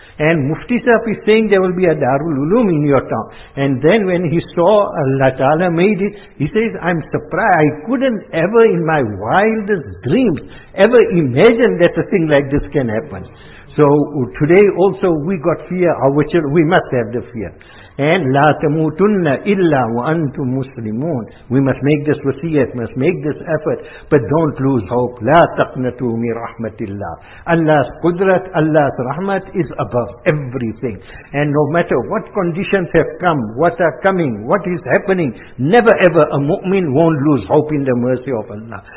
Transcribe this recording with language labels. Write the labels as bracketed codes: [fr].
[en] And Mufti Saab is saying there will be a Darul Uloom in your town. And then when he saw Allah Ta'ala made it, he says, I'm surprised. I couldn't ever in my wildest dreams ever imagine that a thing like this can happen. So today also we got fear, our children, we must have the fear. [ar] And لا تموتن إلا وأنتم مسلمون. [en] We must make this wasiyat, must make this effort, but don't lose hope. [ar] لا تقنطوا من رحمة الله. [en] Allah's qudrat, Allah's rahmat is above everything. And no matter what conditions have come, what are coming, what is happening, never ever a mu'min won't lose hope in the mercy of Allah.